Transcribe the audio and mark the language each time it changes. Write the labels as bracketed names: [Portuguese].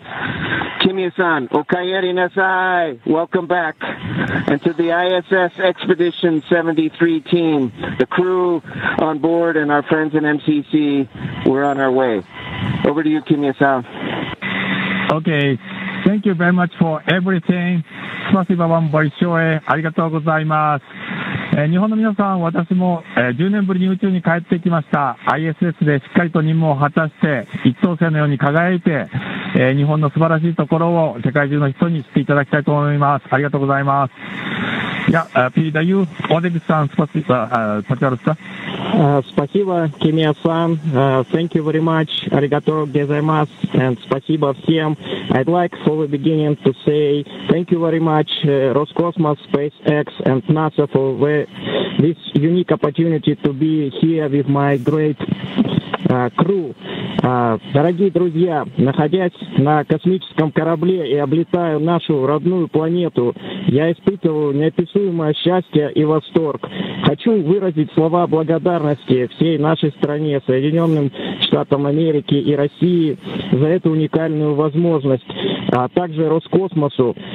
[English] Kimiya-san, [Japanese] Okayeri Nasai, [English] welcome back. And to the ISS Expedition 73 team, the crew on board and our friends in MCC, we're on our way. Over to you, Kimiya-san. Okay. Thank you very much for everything. [Japanese] ありがとうございます。日本の皆さん、私も10年ぶりに宇宙に帰ってきました。 ISS でしっかりと任務を果たして、一等星のように輝いて、日本の素晴らしいところを世界中の人に知っていただきたいと思います。ありがとうございます。 [Russian] いや、ピーダユー、オレグさん、スパシバ、パチャルスタ。 [English] スパシバ、キミヤさん、thank you very much. [Japanese] ありがとうございます。 [English] And スパシバ、シエム。 I'd like for the beginning to say thank you very much, Roscosmos, SpaceX, and NASA for this unique opportunity to be here with my great crew. [Russian] Дорогие друзья, находясь на космическом корабле и облетая нашу родную планету, я испытываю неописуемое счастье и восторг. Хочу выразить слова благодарности всей нашей стране, Соединенным Штатам Америки и России за эту уникальную возможность, а также Роскосмосу.